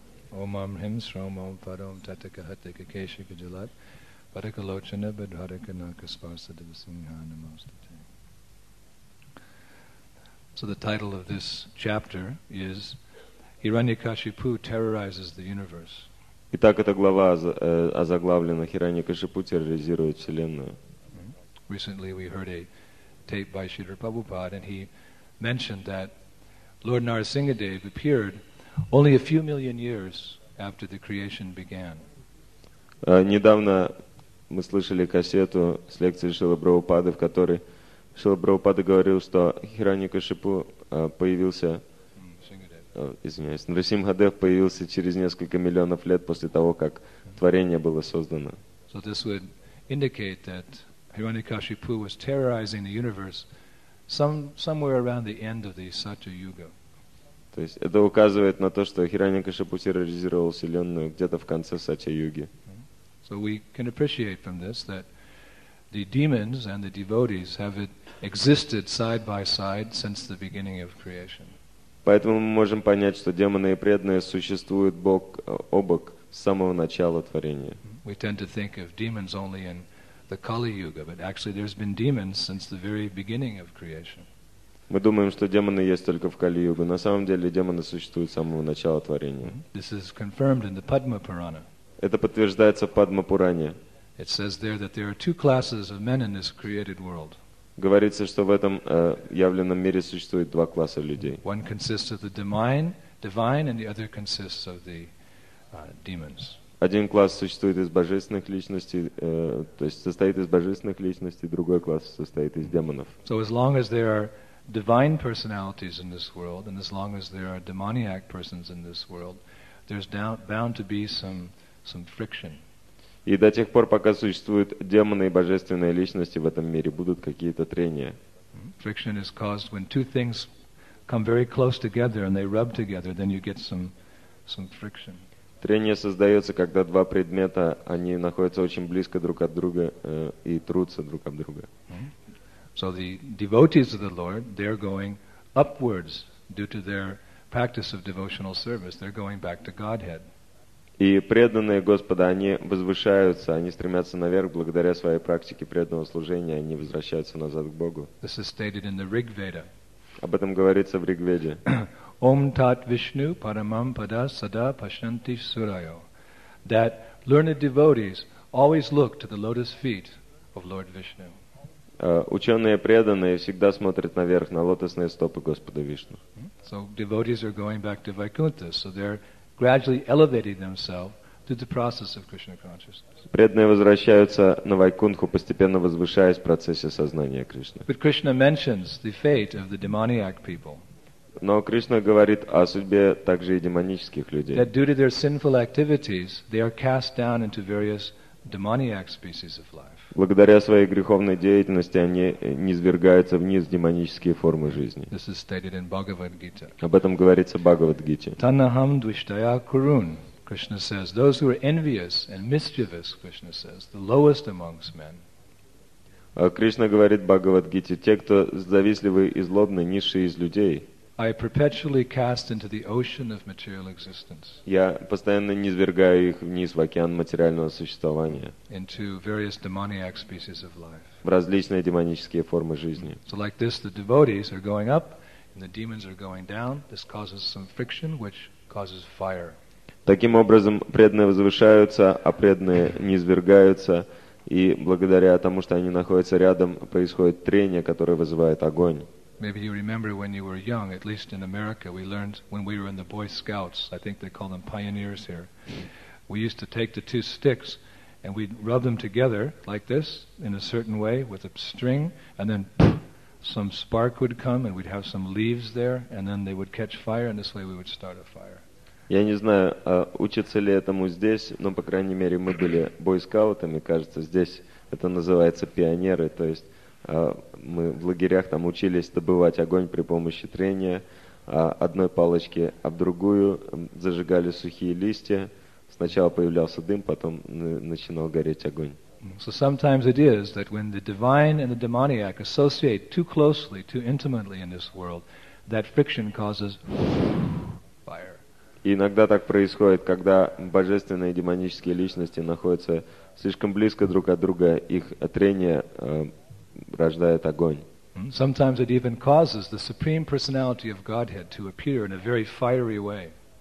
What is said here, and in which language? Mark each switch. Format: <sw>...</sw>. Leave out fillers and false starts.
<sa>Rama Om Om Him Srom Om Padom Tataka Hataka Kesha Kajalat Padaka Lochana Badharaka Nakasparsa Divasimha Namastate.</sa> <en>So the title of this chapter is Hiranyakashipu Terrorizes the Universe.</en> <ru>Итак, эта глава озаглавлена «Хираньякашипу терроризирует Вселенную».</ru> <en>Recently we heard a tape by Śrīla Prabhupāda, and he mentioned that Lord Narasimhadev appeared only a few million years after the creation began.</en> <ru>Недавно мы слышали кассету с лекцией Śrīla Prabhupāda, в которой Śrīla Prabhupāda говорил, что Хираньякашипу появился... извиняюсь, Нрисимхадев появился через несколько миллионов лет после того, как творение было создано.</ru> <en>So this would indicate that Hiranyakashipu was terrorizing the universe somewhere around the end of the Satya Yuga.</en> <ru>То есть это указывает на то, что Хираньякашипу терроризировал вселенную где-то в конце Сатья-юги.</ru> <en>So we can appreciate from this that the demons and the devotees have existed side by side since the beginning of creation.</en> <ru>Поэтому мы можем понять, что демоны и преданные существуют бок о бок с самого начала творения.</ru> <en>We tend to think of demons only in the Kali Yuga, but actually there's been demons since the very beginning of creation.</en> <ru>Мы думаем, что демоны есть только в Кали-югу. На самом деле демоны существуют с самого начала творения.</ru> <en>This is confirmed in the Padma Purana.</en> <ru>Это подтверждается в Падма-пуране.</ru> <en>It says there that there are two classes of men in this created world.</en> <ru>Говорится, что в этом явленном мире существует два класса людей.</ru> <en>One consists of the divine and the other consists of the demons.</en> <ru>Один класс существует из божественных личностей, то есть состоит из божественных личностей, другой класс состоит из демонов.</ru> <en>So as long as there are divine personalities in this world and as long as there are demoniac persons in this world, there's bound to be some friction.</en> <ru>И до тех пор, пока существуют демоны и божественные личности в этом мире, будут какие-то трения.</ru> <en>Friction is caused when two things come very close together and they rub together, then you get some friction.</en> <ru>Трение создается, когда два предмета, они находятся очень близко друг от друга и трутся друг об друга.</ru> <en>So the devotees of the Lord, they're going upwards due to their practice of devotional service. They're going back to Godhead.</en> <ru>И преданные Господа, они возвышаются, они стремятся наверх благодаря своей практике преданного служения, они возвращаются назад к Богу.</ru> <en>This is stated in the Rig Veda.</en> <ru>Об этом говорится в Ригведе.</ru> <sa>Om Tat Vishnu Paramam Pada Sada Pashanti Surayo.</sa> <en>That learned devotees always look to the lotus feet of Lord Vishnu.</en> <ru>Ученые преданные всегда смотрят наверх на лотосные стопы Господа Вишну.</ru> <en>So devotees are going back to Vaikuntha, so they're gradually elevating themselves through the process of Krishna consciousness.</en> <ru>Преданные возвращаются на Вайкунху, постепенно возвышаясь в процессе сознания Кришны.</ru> <en>But Krishna mentions the fate of the demoniac people.</en> <ru>Но Кришна говорит о судьбе также и демонических людей.</ru> <en>That due to their sinful activities, they are cast down into various demoniac species of life.</en> <ru>Благодаря своей греховной деятельности они низвергаются вниз в демонические формы жизни.</ru> <en>This is stated in Bhagavad-gita.</en> <ru>Об этом говорится в Бхагавад-гите.</ru> <sa>Tanaham dvishtaya kurun,</sa> <en>Krishna says, those who are envious and mischievous, Krishna says, the lowest amongst men.</en> <ru>Кришна говорит в Бхагавад-гите, те, кто завистливы и злобны, низшие из людей.</ru> <en>I perpetually cast into the ocean of material existence.</en> <ru>Я постоянно низвергаю их вниз в океан материального существования.</ru> <en>Into various demoniac species of life.</en> <ru>В различные демонические формы жизни.</ru> <en>So like this, the devotees are going up, and the demons are going down. This causes some friction, which causes fire.</en> <ru>Таким образом, преданные возвышаются, а преданные низвергаются, и благодаря тому, что они находятся рядом, происходит трение, которое вызывает огонь.</ru> <en>Maybe you remember when you were young, at least in America, we learned when we were in the Boy Scouts, I think they call them pioneers here, we used to take the two sticks and we'd rub them together like this in a certain way with a string and then some spark would come and we'd have some leaves there and then they would catch fire and this way we would start a fire.</en> <ru>Я не знаю, учатся ли этому здесь, но, по крайней мере, мы были бойскаутами, кажется, здесь это называется пионеры, то есть мы в лагерях там учились добывать огонь при помощи трения одной палочки об другую, зажигали сухие листья, сначала появлялся дым, потом начинал гореть огонь.</ru> <en>So sometimes it is that when the divine and the demoniac associate too closely, too intimately in this world, that friction causes fire.</en> <ru>И иногда так происходит, когда божественные и демонические личности находятся слишком близко друг от друга, их трение рождает огонь.</ru> <en>Sometimes it even causes the Supreme Personality of Godhead to appear in a very fiery way.</en>